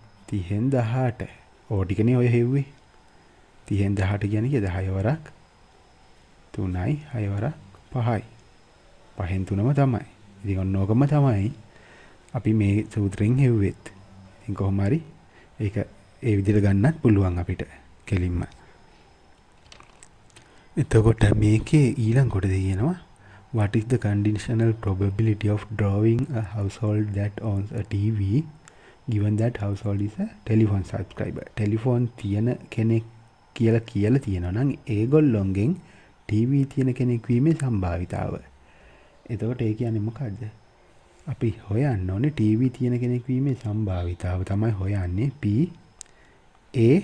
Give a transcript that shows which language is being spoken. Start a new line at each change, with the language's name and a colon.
Sinhala: 30න් 18. ඕඩිකනේ ඔය හෙව්වේ. 30න් 18 කියන්නේ කීයද? 10 වරක්. 3යි 6 වරක් 5යි. 5න් 3ම තමයි. ඉතින් ඔන්න ඕකම තමයි අපි මේ සූත්‍රයෙන් හෙව්වෙත්. ඉතින් කොහොම හරි ඒක ඒ විදිහට ගන්නත් පුළුවන් අපිට කෙලින්ම. එතකොට මේකේ ඊළඟ කොටස කියනවා
English: what is the conditional probability of drawing a household that owns a TV given that household is a telephone subscriber.
Sinhala: telephone තියෙන කෙනෙක් කියලා කියලා තියෙනවා නම් ඒගොල්ලොන්ගෙන් TV තියෙන කෙනෙක් වීමේ සම්භාවිතාව. එතකොට ඒ කියන්නේ මොකද්ද? අපි හොයන්න ඕනේ TV තියෙන කෙනෙක් වීමේ සම්භාවිතාව තමයි හොයන්නේ P A.